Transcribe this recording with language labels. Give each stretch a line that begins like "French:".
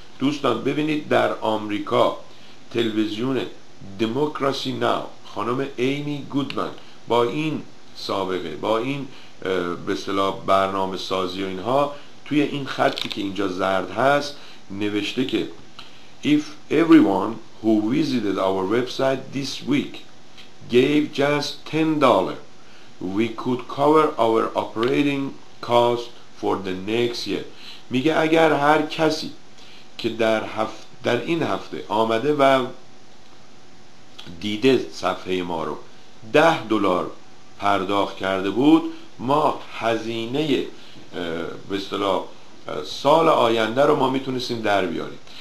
Persian: دوستان ببینید در آمریکا تلویزیون دموکراسی ناو خانم ایمی گودمن با این سابقه، با این به اصطلاح برنامه سازی و اینها، توی این خطی که اینجا زرد هست نوشته که
English: If everyone who visited our website this week gave just $10, we could cover our operating cost for the next year.
Persian: میگه اگر هر کسی که در این هفته آمده و دیده صفحه ما رو $10 پرداخت کرده بود، ما هزینه به اصطلاح سال آینده رو ما میتونستیم در بیاریم.